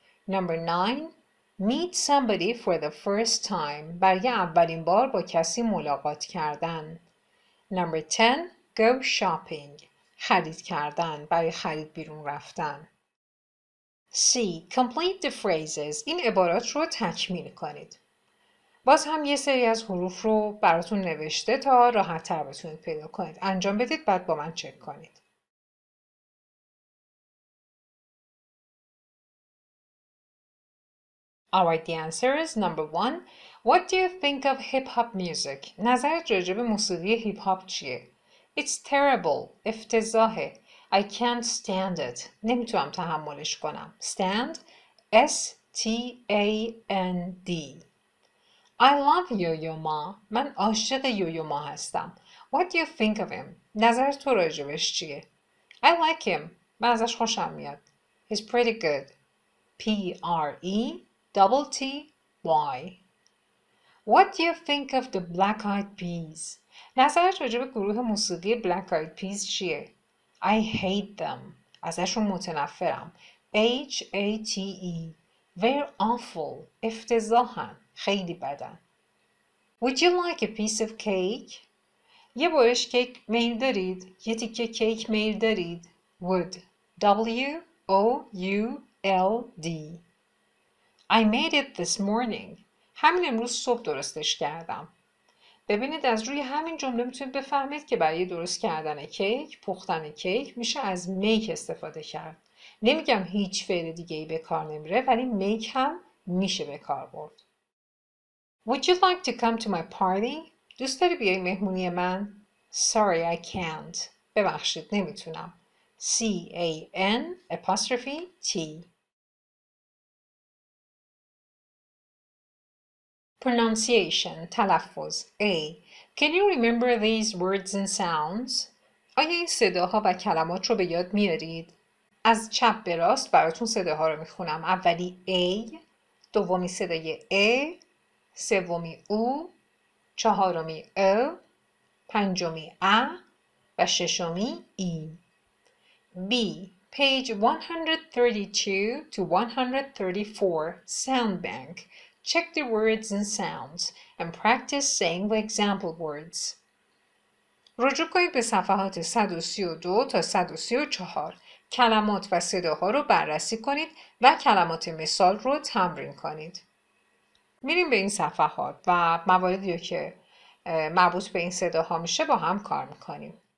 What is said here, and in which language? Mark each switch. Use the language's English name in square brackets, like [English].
[English] Number nine, meet somebody for the first time. [Persian] برای اولین بار با کسی ملاقات کردن. [English] Number 10. Go shopping. [Persian] خرید کردن. برای خرید بیرون رفتن. C. [English] Complete the phrases. [Persian] این عبارات رو تکمیل کنید. باز هم یه سری از حروف رو براتون نوشته تا راحت تر بتونید پیدا کنید. انجام بدید بعد با من چک کنید. [English] All right, the answer is number one. What do you think of hip-hop music? [Persian] نظرت راجع به موسیقی هیپ‌هاپ چیه؟ [English] It's terrible. [Persian] افتضاحه. [English] I can't stand it. [Persian] نمیتونم تحملش کنم. [English] Stand. S-T-A-N-D. I love Yo-Yo Ma. [Persian] من عاشق Yo-Yo Ma هستم. [English] What do you think of him? [Persian] نظرت تو راجع بهش چیه؟ [English] I like him. [Persian] من ازش خوشم میاد. [English] He's pretty good. P-R-E. Double T, Y. What do you think of the Black Eyed Peas? [Persian] نظرت راجع به گروه موسیقی Black Eyed Peas چیه؟ [English] I hate them. [Persian] ازشون متنفرم. H-A-T-E. [English] They're awful. [Persian] افتضاحن. خیلی بدن. [English] Would you like a piece of cake? [Persian] یه بارش کیک میل دارید؟ یه تیکه کیک میل دارید؟ Would. [English] W-O-U-L-D. I made it this morning. [Persian] همین امروز صبح درستش کردم. ببینید از روی همین جمله میتونید بفهمید که برای درست کردن کیک، پختن کیک میشه از make استفاده کرد. نمیگم هیچ فعل دیگه ای به کار نمیره ولی make هم میشه به کار برد. [English] Would you like to come to my party? [Persian] دوست داری بیای مهمونی من؟ [English] Sorry, I can't. [Persian] ببخشید نمیتونم. C-A-N-T. [English] Pronunciation, تلفظ. A. Can you remember these words and sounds? [Persian] آیا این صداها و کلمات رو به یاد میارید؟ از چپ به راست براتون صداها رو میخونم. اولی A. دومی صدای ای، سومی او، چهارمی او، پنجمی ا و ششمی ای. [English] B. Page 132 to 134. Sound bank. Check the words and sounds and practice saying the example words. [Persian] رجوع کنید به صفحات 132 تا 134. کلمات و صداها رو بررسی کنید و کلمات مثال رو تمرین کنید. میریم به این صفحات و مواردی که مربوط به این صداها میشه با هم کار میکنیم.